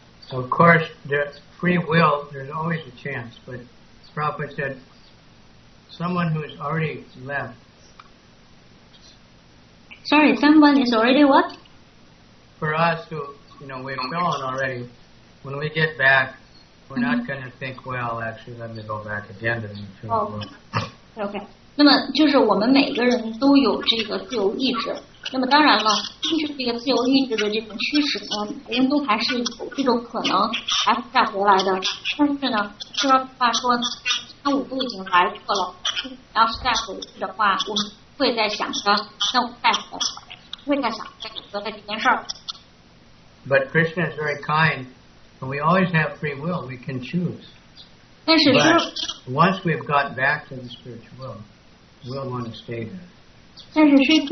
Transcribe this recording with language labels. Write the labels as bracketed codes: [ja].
[en] Of course, the free will, there's always a chance, but Prabhupada said, someone who has already left. Sorry, someone is already what? For us who, we've fallen already, when we get back, we're not going to think, well, actually, let me go back again to the material world. Okay. [zh] 那么就是我们每个人都有这个自由意志。那么当然了，就是这个自由意志的这种趋势，人都还是有这种可能还是再回来的。但是呢，就是话说，那我都已经来过了，要是再回去的话，我们会在想着，那我再回去，会在想着这件事。But [en] Krishna is very kind, and we always have free will. We can choose. [zh] 但是, [en] but once we've got back to the spiritual world, we'll want to stay there.